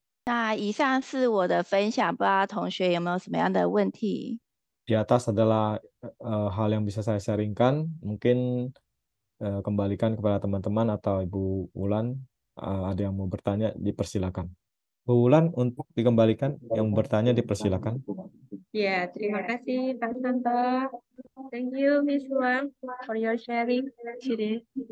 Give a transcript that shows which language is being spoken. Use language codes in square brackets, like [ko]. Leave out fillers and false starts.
[zh] 那以上是我的分享，不知道同学有没有什么样的问题？ [id] Di atas adalah hal yang bisa saya sharingkan. Mungkin kembalikan kepada teman-teman atau Ibu Wulan, ada yang mau bertanya, dipersilakan. Ibu Wulan, untuk dikembalikan, yang bertanya dipersilakan. Ya, terima kasih Pak Santo. [en] Thank you Miss Wang for your sharing today.